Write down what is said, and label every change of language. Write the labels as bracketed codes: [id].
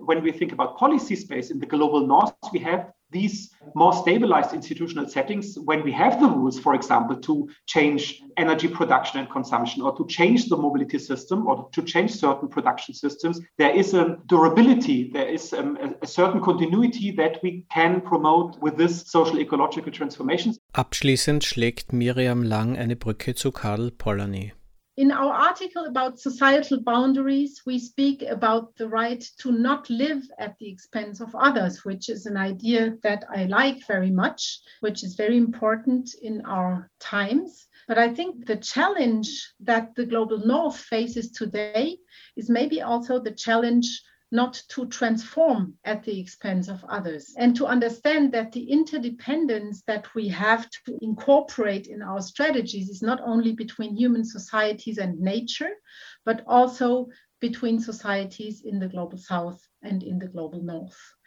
[en] When we think about policy space in the global north, we have these more stabilized institutional settings when we have the rules, for example, to change energy production and consumption or to change the mobility system or to change certain production systems. There is a durability, there is a certain continuity that we can promote with this social ecological transformation. [de] Abschließend schlägt Miriam Lang eine Brücke zu Karl Polanyi. [en] In our article about societal boundaries, we speak about the right to not live at the expense of others, which is an idea that I like very much, which is very important in our times. But I think the challenge that the global north faces today is maybe also the challenge not to transform at the expense of others, and to understand that the interdependence that we have to incorporate in our strategies is not only between human societies and nature, but also between societies in the global south and in the global north.